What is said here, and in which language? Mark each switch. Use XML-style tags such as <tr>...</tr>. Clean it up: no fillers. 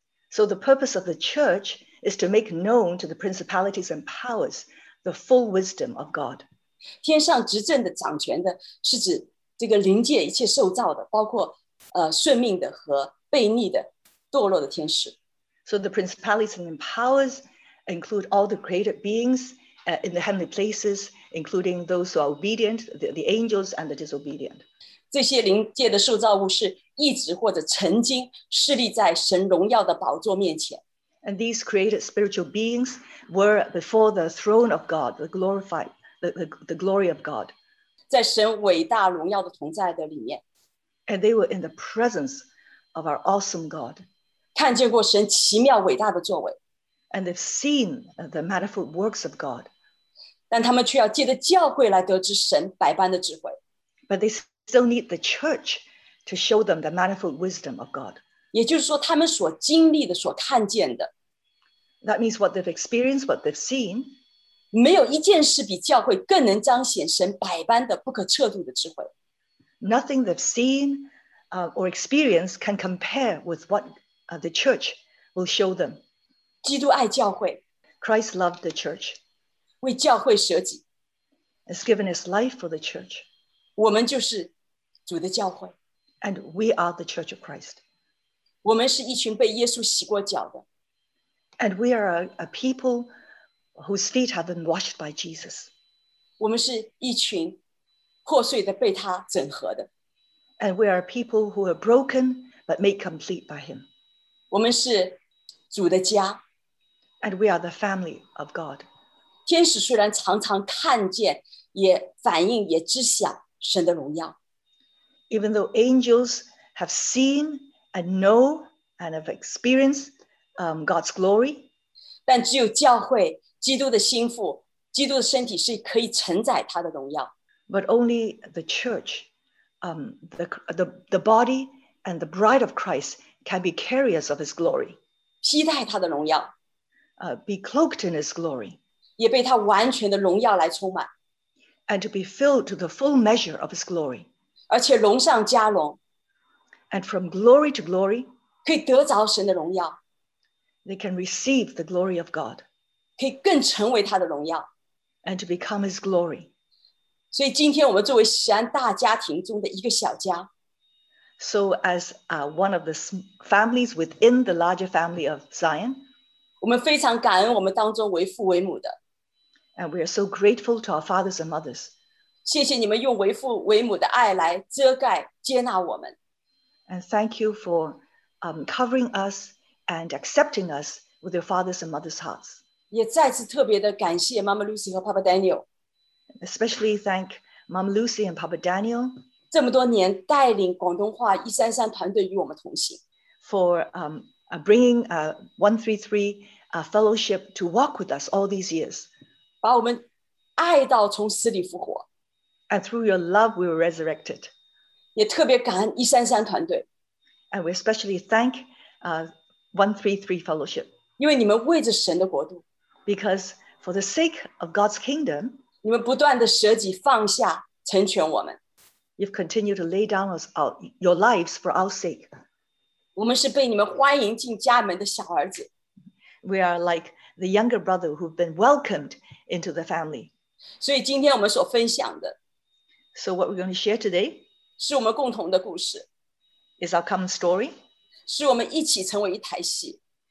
<en>So the purpose of the church is to make known to the principalities and powers the full wisdom of God.</en> <zh>天上执政的掌权的是指这个灵界一切受造的包括顺命的和悖逆的堕落的天使。</zh> <en>So the principalities and powers include all the created beings in the heavenly places, including those who are obedient, the angels and the disobedient.</en> <zh>这些灵界的受造物是一直或者曾经侍立在神荣耀的宝座面前。</zh> <en>And these created spiritual beings were before the throne of God, the glory of God.</en> <zh>在神伟大荣耀的同在的里面。</zh> <en>And they were in the presence of our awesome God.</en> <zh>看见过神奇妙伟大的作为,</zh> <en>and they've seen the manifold works of God.</en> <zh>但他们却要借着教会来得知神百般的智慧。</zh> <en>But they still need the church to show them the manifold wisdom of God.</en> <zh>也就是说他们所经历的所看见的,</zh> <en>that means what they've experienced, what they've seen.</en> <zh>没有一件事比教会更能彰显神百般的不可测度的智慧。</zh> <en>Nothing they've seen or experienced can compare with what the church will show them.</en> <zh>基督爱教会,</zh> <en>Christ loved the church.</en> <zh>为教会舍己,</zh> <en>has given his life for the church.</en> <zh>我们就是主的教会,</zh> <en>and we are the church of Christ.</en> <zh>我们是一群被耶稣洗过脚的,</zh> <en>and we are a people whose feet have been washed by Jesus.</en> <zh>我们是一群破碎的被他整合的,</zh> <en>and we are a people who are broken but made complete by him.</en> <zh>我们是主的家,</zh> <en>and we are the family of God.</en> <zh>天使虽然常常看见, 也反映, 也知晓神的荣耀,</zh> <en>even though angels have seen and know and have experienced God's glory,</en> <zh>但只有教会, 基督的心腹, 基督的身体是可以承载他的荣耀,</zh> <en>but only the church, the body and the bride of Christ can be carriers of his glory.</en> <zh>期待他的荣耀,</zh> <en>be cloaked in his glory.</en> <zh>也被他完全的荣耀来充满,</zh> <en>and to be filled to the full measure of his glory.</en> <zh>而且荣上加荣,</zh> <en>and from glory to glory,</en> <zh>可以得着神的荣耀,</zh> <en>they can receive the glory of God.</en> <zh>可以更成为他的荣耀,</zh> <en>and to become his glory.</en> <zh>所以今天我们作为锡安大家庭中的一个小家,</zh> <en>So as one of the families within the larger family of Zion,</en> <zh>我们非常感恩我们当中为父为母的,</zh> <en>and we are so grateful to our fathers and mothers.</en> <zh>谢谢你们用为父为母的爱来遮盖接纳我们,</zh> <en>and thank you for covering us and accepting us with your fathers and mothers' hearts.</en> <zh>也再次特别的感谢Mama Lucy和Papa Daniel.</zh> <en>Especially thank Mama Lucy and Papa Daniel.</en> <zh>这么多年带领广东话133团队与我们同行,</zh> <en>for bringing 133 fellowship to walk with us all these years.</en> <zh>把我们爱到从死里复活,</zh> <en>and through your love we were resurrected.</en> <zh>也特别感恩133团队,</zh> <en>and we especially thank 133 fellowship.</en> <zh>因为你们为着神的国度,</zh> <en>because for the sake of God's kingdom,</en> <zh>你们不断地舍己放下, 成全我们,</zh> <en>you've continued to lay down your lives for our sake.</en> <zh>我们是被你们欢迎进家门的小儿子,</zh> <en>we are like the younger brother who've been welcomed into the family.</en> <zh>所以今天我们所分享的,</zh> <en>so what we're going to share today</en> <zh>是我们共同的故事,</zh> <en>is our common story,</en> <zh>是我们一起成为一台戏,</zh>